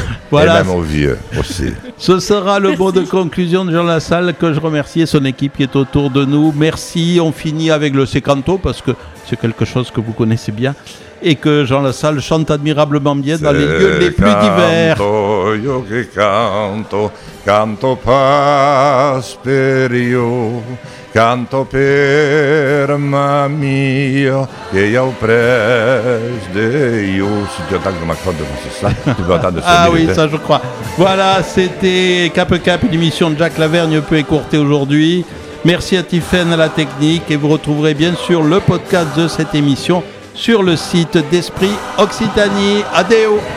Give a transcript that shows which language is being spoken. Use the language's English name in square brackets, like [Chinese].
[French] voilà. Et même aux vieux aussi. Ce sera le mot de conclusion de Jean Lassalle, que je remercie, et son équipe qui est autour de nous. Merci. On finit avec le secanto, parce que c'est quelque chose que vous connaissez bien. Et que Jean Lassalle chante admirablement bien dans les lieux les plus divers. [Occitan] Canto, io che canto, canto pas per io, canto per ma mio, che io pres de io. [French] Si tu attends que ma chante, c'est ça, tu peux attendre ça. Ah oui, ça je crois. Voilà, c'était Cap Cap, une émission de Jacques Lavergne peu écourtée aujourd'hui. Merci à Tiffaine, à la technique, et vous retrouverez bien sûr le podcast de cette émission sur le site d'Esprit Occitanie. Adéo.